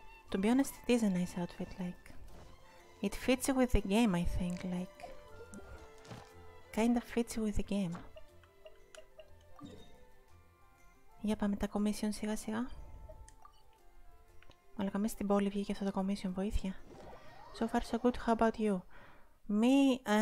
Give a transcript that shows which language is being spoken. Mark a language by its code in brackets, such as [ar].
[en] To be honest, it is a nice outfit, like... It fits with the game, I think, like... Kinda fits with the game. [el] Για πάμε τα commission σιγά σιγά. Μαλάκα, μέσα στην πόλη βγήκε αυτό το commission, βοήθεια. [en] So far so good, how about you? Me...